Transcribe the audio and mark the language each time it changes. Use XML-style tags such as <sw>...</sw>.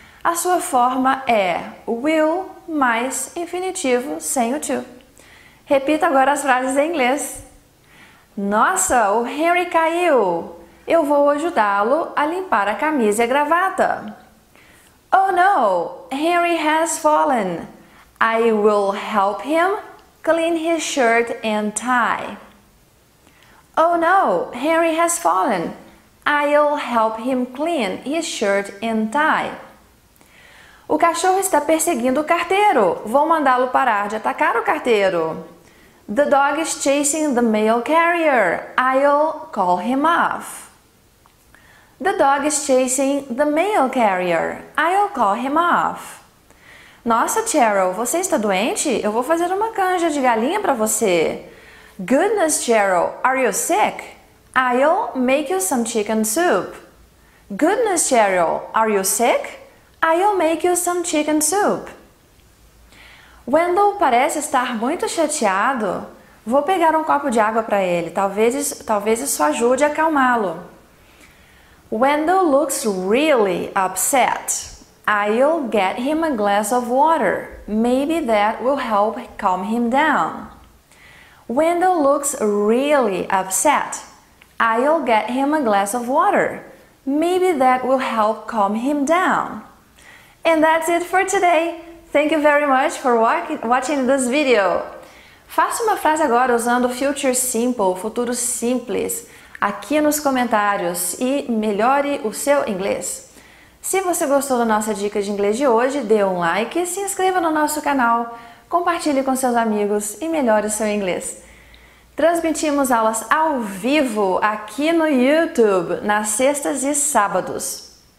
<pt>A sua forma é will mais infinitivo sem o to. Repita agora as frases em inglês. Nossa, o Henry caiu. Eu vou ajudá-lo a limpar a camisa e a gravata.</pt> <en>Oh no, Henry has fallen. I will help him clean his shirt and tie. Oh no, Henry has fallen. I'll help him clean his shirt and tie.</en> <pt>O cachorro está perseguindo o carteiro. Vou mandá-lo parar de atacar o carteiro.</pt> <en>The dog is chasing the mail carrier. I'll call him off. The dog is chasing the mail carrier. I'll call him off.</en> <pt>Nossa, Cheryl, você está doente? Eu vou fazer uma canja de galinha para você.</pt> <en>Goodness, Cheryl, are you sick? I'll make you some chicken soup. Goodness, Cheryl, are you sick? I'll make you some chicken soup.</en> <pt>Wendell parece estar muito chateado. Vou pegar um copo de água para ele. Talvez isso ajude a acalmá-lo.</pt> <en>Wendell looks really upset. I'll get him a glass of water. Maybe that will help calm him down. Wendell looks really upset. I'll get him a glass of water. Maybe that will help calm him down. And that's it for today. Thank you very much for watching this video.</en> <pt>Faça uma frase agora usando o Future Simple, futuro simples, aqui nos comentários e melhore o seu inglês. Se você gostou da nossa dica de inglês de hoje, dê um like e se inscreva no nosso canal. Compartilhe com seus amigos e melhore o seu inglês. Transmitimos aulas ao vivo aqui no YouTube, nas sextas e sábados.</pt>